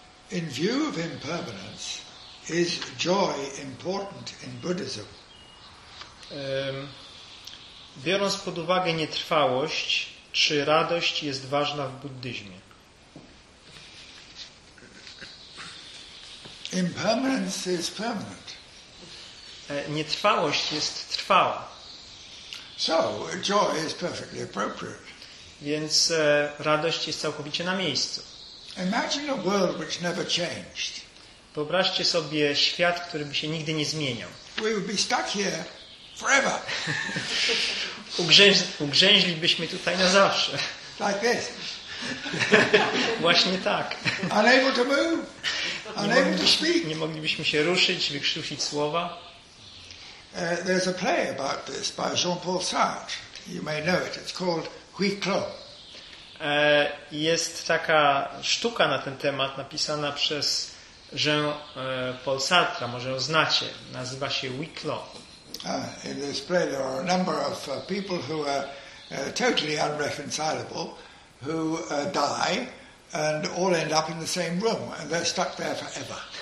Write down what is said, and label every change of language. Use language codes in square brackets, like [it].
[en] In view of impermanence, is joy important in Buddhism? [pl] Biorąc pod uwagę nietrwałość, czy radość jest ważna w buddyzmie? [en] Impermanence is permanent. [pl] Nietrwałość jest trwała. [en] So, joy is perfectly appropriate. [pl] Więc radość jest całkowicie na miejscu. [en] Imagine a world which never changed. [pl] Wyobraźcie sobie świat, który by się nigdy nie zmieniał. [en] We would be stuck here forever. [pl] Ugrzęźlibyśmy tutaj na zawsze. [en] Like this. [pl] Właśnie tak. [en] Unable to move. Unable to speak. [pl] Nie moglibyśmy się ruszyć, wykrztusić słowa. [en] There's a play about this by Jean-Paul Sartre. You may know it. It's called Huis Clos. [pl] Jest taka sztuka na ten temat napisana przez Jean-Paul Sartre, może ją znacie. Nazywa się Huis Clos. [en] In this play there are a number of people who are totally unreconcilable, who die and all end up in the same room and they're stuck there forever.